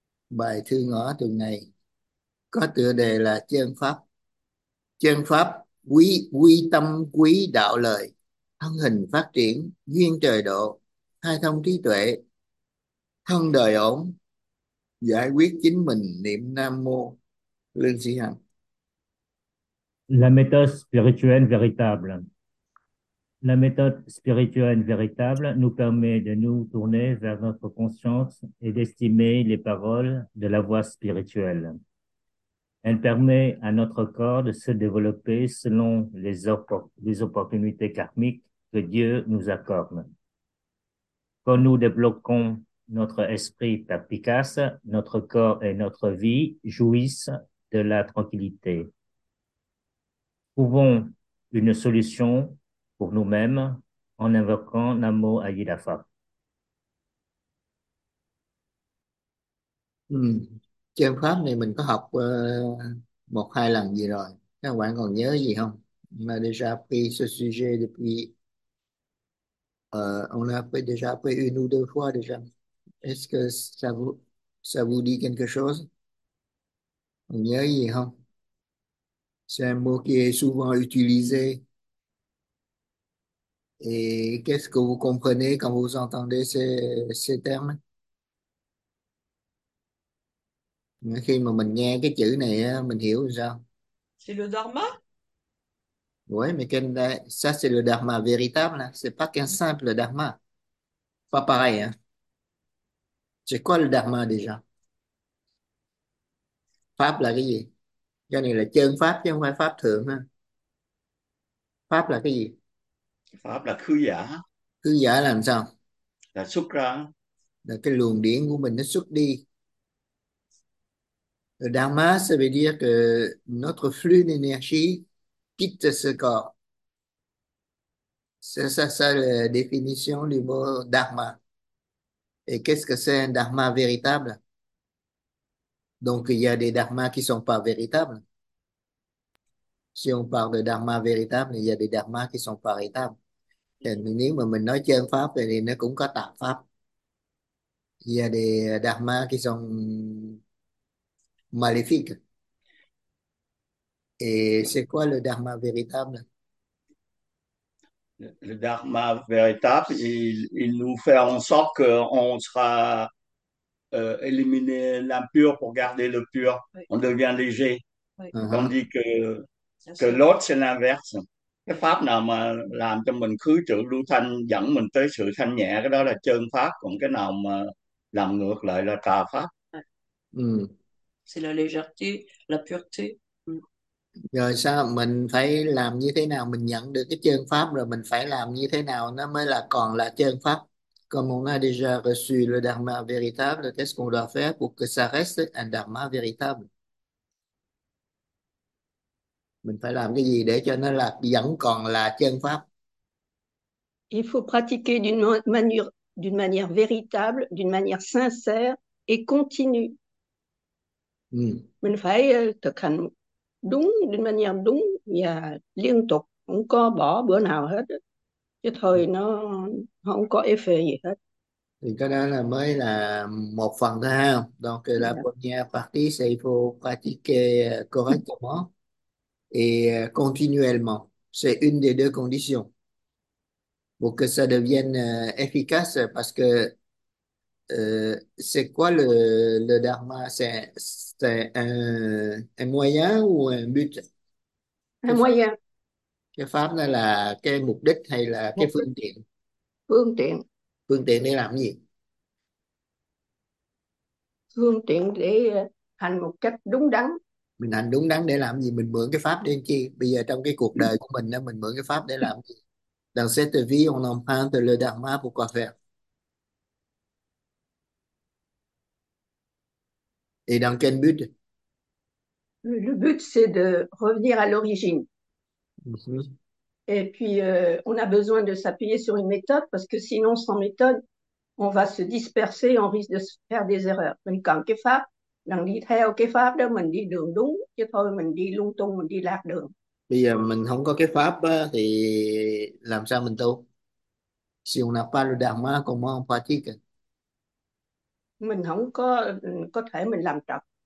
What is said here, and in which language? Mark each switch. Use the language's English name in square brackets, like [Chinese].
[Vietnamese] Bài thư ngữ tuần này có tựa đề là chân pháp. Chân pháp quý quy tâm quý đạo lời, thân hình phát triển duyên trời độ, khai thông trí tuệ, thân đời ổn, giải quyết chính mình niệm Nam Mô Lương Sĩ Hằng. [French] La méthode spirituelle véritable. La méthode spirituelle véritable nous permet de nous tourner vers notre conscience et d'estimer les paroles de la voie spirituelle. Elle permet à notre corps de se développer selon les opportunités karmiques que Dieu nous accorde. Quand nous débloquons notre esprit tapicasa, notre corps et notre vie jouissent de la tranquillité. Trouvons une solution pour nous-mêmes en invoquant Namo Ayidafa. [Vietnamese] Chân pháp này mình có học một hai lần gì rồi, các bạn còn nhớ gì không? [French] Déjà pris ce sujet depuis on a déjà pris une ou deux fois déjà. Est-ce que ça vous dit quelque chose? [Vietnamese] Còn nhớ gì không? [French] C'est un mot qui est souvent utilisé. Et qu'est-ce que vous comprenez quand vous entendez ces termes? [Vietnamese] Khi mà mình nghe cái chữ này á, mình hiểu sao? [French] C'est le dharma? Oui, mais quel ça c'est le dharma véritable, là. C'est pas qu'un simple dharma. Pas pareil, hein. C'est quoi le dharma déjà? [Vietnamese] Pháp là cái gì? Cái này là chân pháp chứ không phải pháp thượng ha. Pháp là cái gì? Pháp là khứ giả, Khứ giả làm sao? là xuất ra. Là cái luồng điển của mình nó xuất đi. [French] Le dharma, ça veut dire que notre flux d'énergie quitte ce corps. C'est ça la définition du mot dharma. Et qu'est-ce que c'est un dharma véritable? Donc, il y a des dharmas qui ne sont pas véritables. Si on parle de dharma véritable, il y a des dharmas qui ne sont pas véritables. [Vietnamese] Et nếu mà mình nói chân pháp thì nó cũng có tạp pháp. [French] Il y a des dharmas qui sont maléfique. Et c'est quoi le dharma véritable? Le dharma véritable, il nous fait en sorte qu'on sera éliminé l'impur pour garder le pur. Oui. On Oui. devient léger. Tandis que l'autre, c'est l'inverse. [Vietnamese] Cái pháp nào mà làm cho mình khứ trữ lưu thanh, dẫn mình tới sự thanh nhẹ, cái đó là chân pháp. Còn cái nào mà làm ngược lại là tà pháp. [French] C'est la légèreté, la pureté. [Vietnamese] Rồi sao mình phải làm như thế nào mình nhận được cái chân pháp, rồi mình phải làm như thế nào nó mới là còn là chân pháp? [French] Comme on a déjà reçu le dharma véritable, qu'est-ce qu'on doit faire pour que ça reste un dharma véritable? [Vietnamese] Mình phải làm cái gì để cho nó là vẫn còn là chân pháp? [French] Il faut pratiquer d'une manière véritable, d'une manière sincère et continue. [Vietnamese] Mình phải thực hành đúng, [French] d'une manière [Vietnamese] đúng và liên tục, không có bỏ bữa nào hết. Chứ thôi nó không có effect gì hết. Thì cái đó là mới là một phần thôi ha. [French] Donc la première partie, c'est il faut pratiquer correctement et continuellement. C'est une des deux conditions pour que ça devienne efficace, parce que c'est quoi le dharma? C'est un moyen ou un but? Un moyen. [Vietnamese] Cái pháp này là cái mục đích hay là cái Mục phương tiện? đích. Phương Phương tiện để làm gì? Phương tiện để hành một cách đúng Mình hành đúng đắn để làm gì? Mình mượn cái pháp để làm chi? Bây giờ trong cái cuộc đời của mình đó, mình mượn cái pháp để làm gì? [French] Dans cette vie, on emprunte le dharma pour quoi faire? Et dans quel but? Le but, c'est de revenir à l'origine. Et puis, on a besoin de s'appuyer sur une méthode, parce que sinon, sans méthode, on va se disperser et on risque de se faire des erreurs. [Vietnamese] Mình cần cái pháp, đang đi theo cái pháp đó, mình đi đường đúng, chứ thôi mình đi lung tung, mình đi lạc đường. Bây giờ mình không có cái pháp á, thì làm sao mình tu? Siêu nạp pháp là đạo má còn mong pháp chí cả. Mình không có thể mình làm trật.